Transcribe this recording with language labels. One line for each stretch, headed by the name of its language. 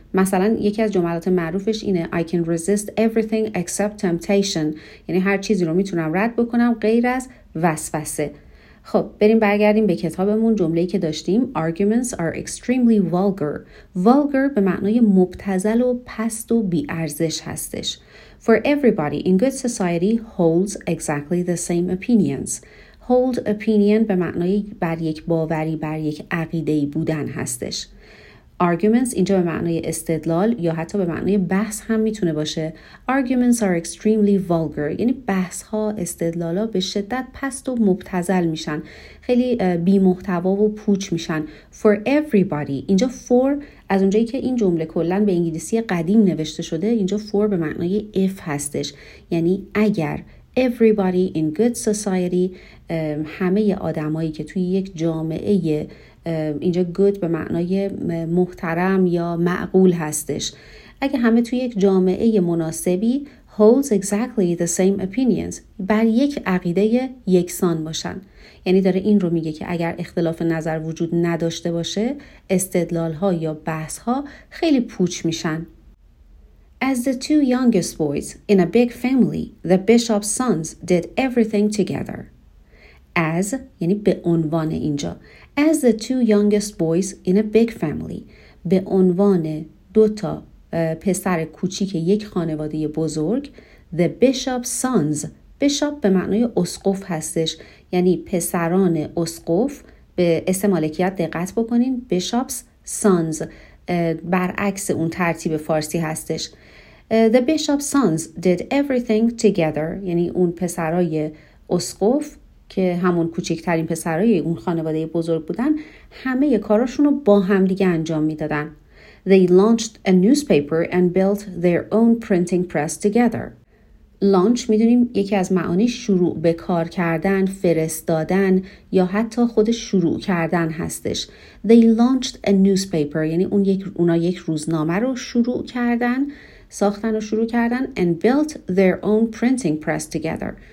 Persian: مثلا یکی از جملات معروفش اینه
English: I can resist everything except temptation.
Persian: یعنی هر چیزی رو میتونم رد بکنم غیر از وسوسه. خب بریم برگردیم به کتابمون. جمله‌ای که داشتیم
English: arguments are extremely vulgar.
Persian: Vulgar به معنای مبتذل و پست و بی‌ارزش هستش.
English: For everybody in good society holds exactly the same opinions.
Persian: Hold opinion به معنای بر یک باوری، بر یک عقیده‌ای بودن هستش. Arguments اینجا به معنای استدلال یا حتی به معنای بحث هم میتونه باشه.
English: Arguments are extremely vulgar.
Persian: یعنی بحث ها، استدلال ها به شدت پست و مبتذل میشن. خیلی بی محتوا و پوچ میشن.
English: For everybody.
Persian: اینجا for از اونجایی که این جمله کلن به انگلیسی قدیم نوشته شده، اینجا for به معنای if هستش. یعنی اگر
English: everybody in good society،
Persian: همه آدمایی که توی یک جامعه، اینجا good به معنای محترم یا معقول هستش، اگه همه توی یک جامعه مناسبی
English: holds exactly the same opinions،
Persian: بر یک عقیده یکسان باشن. یعنی داره این رو میگه که اگر اختلاف نظر وجود نداشته باشه، استدلال ها یا بحث ها خیلی پوچ میشن.
English: As the two youngest boys in a big family, the bishop's sons did everything together.
Persian: As یعنی به عنوان اینجا.
English: As the two youngest boys in a big family.
Persian: به عنوان دوتا پسر کوچیک یک خانواده بزرگ.
English: The bishop's sons.
Persian: بشاپ به معنای اسقف هستش. یعنی پسران اسقف. به اسم مالکیت دقت بکنین.
English: Bishop's sons.
Persian: برعکس اون ترتیب فارسی هستش.
English: The bishop's sons did everything together.
Persian: یعنی اون پسرای اسقف که همون کوچکترین پسرای اون خانواده بزرگ بودن، همه کاراشون رو با هم دیگه انجام میدادن.
English: They launched a newspaper and built their own printing press together.
Persian: Launch میدونیم یکی از معانی شروع به کار کردن، فرستادن یا حتی خود شروع کردن هستش.
English: They launched a newspaper
Persian: یعنی اونا یک روزنامه رو شروع کردن، ساختن رو شروع کردن.
English: And built their own printing press together.